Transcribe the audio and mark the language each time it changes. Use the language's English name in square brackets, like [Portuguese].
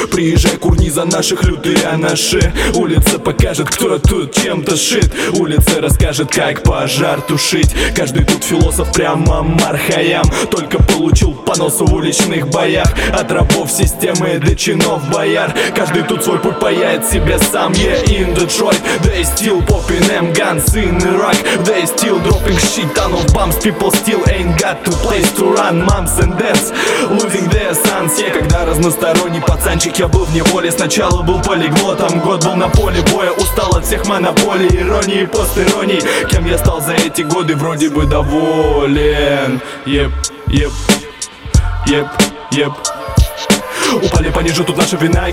[Russian] Приезжай, курни за наших лютые анаши. Улица покажет, кто тут чем-то шит. Улица расскажет, как пожар тушить. Каждый тут философ прямо Мархаям. Только получил по носу в уличных боях. От рабов системы до чинов бояр. Каждый тут свой путь паяет себе сам. [English] Yeah, in Detroit, they still popping M guns in Iraq. They still dropping shit ton of bombs. People still ain't got to place to run. Moms and dads losing their sons. [Russian] Yeah, когда разносторонний пацанчик, я был в неволе. Сначала был полиглотом, год был на поле боя. Устал от всех монополий, иронии, постиронии. Кем я стал за эти годы, вроде бы доволен. Еп, еп, еп, еп. Упали пониже, тут наша вина.